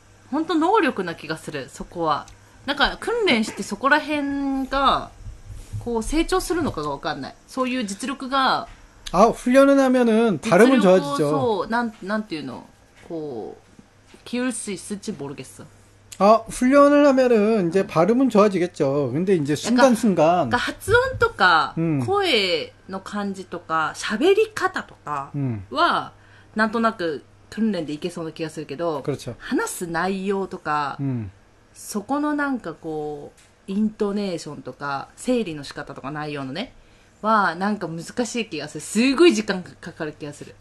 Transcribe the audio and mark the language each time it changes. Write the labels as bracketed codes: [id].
[ja] 本当能力な気がする、そこは。なんか訓練してそこら辺が、こう成長するのかがわかんない。そういう実力が。 [ko] あ、훈련을하면은、다름은좋아지죠。 [ja] そう、なんていうの、こう、 [ko] 기울수있을지모르겠어。 아훈련을하면은이제발음은좋아지겠죠근데이제순간순간 [ja] 그러니까発音とか声の感じとか喋り方とかはなんとなく訓練でいけそうな気がするけど [ko] 그렇죠 [ja] 話す内容とかそこのなんかこうイントネーションとか整理の仕方とか内容のねはなんか難しい気がするすごい時間かかる気がする